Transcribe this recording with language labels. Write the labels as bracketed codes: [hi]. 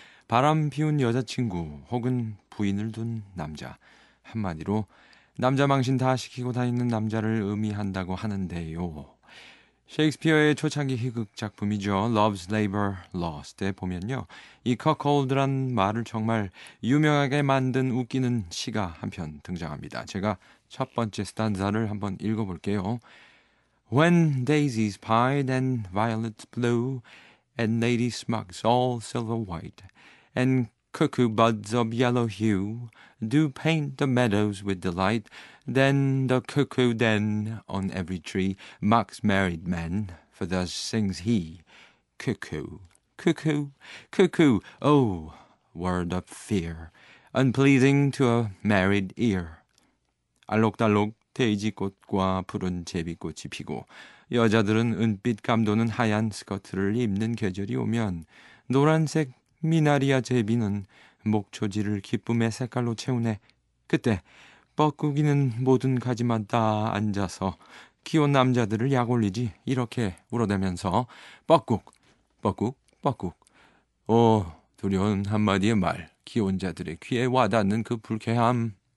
[ko] 바람 피운 여자친구 혹은 부인을 둔 남자, 한마디로 남자 망신 다 시키고 다니는 남자를 의미한다고 하는데요. 셰익스피어의 초창기 희극 작품이죠. Love's Labor Lost에 보면요. 이 cuckold란 말을 정말 유명하게 만든 웃기는 시가 한편 등장합니다. 제가 첫 번째 스탄자를 한번 읽어볼게요. [en] When daisies pied and violets blue and lady smocks all silver white and cuckoo buds of yellow hue do paint the meadows with delight Then the cuckoo then on every tree mocks married men, for thus sings he, Cuckoo, cuckoo, cuckoo, oh, word of fear, unpleasing to a married ear. [ko] 알록달록 돼지꽃과 푸른 제비꽃이 피고 여자들은 은빛 감도는 하얀 스커트를 입는 계절이 오면 노란색 미나리아 제비는 목초지를 기쁨의 색깔로 채우네 그때 뻐꾸기는 모든 가지만 다 앉아서 귀여운 남자들을 약올리지 이렇게 울어대면서 뻐꾹, 뻐꾹, 뻐꾹 오, 두려운 한마디의 말 귀여운 자들의 귀에 와닿는 그 불쾌함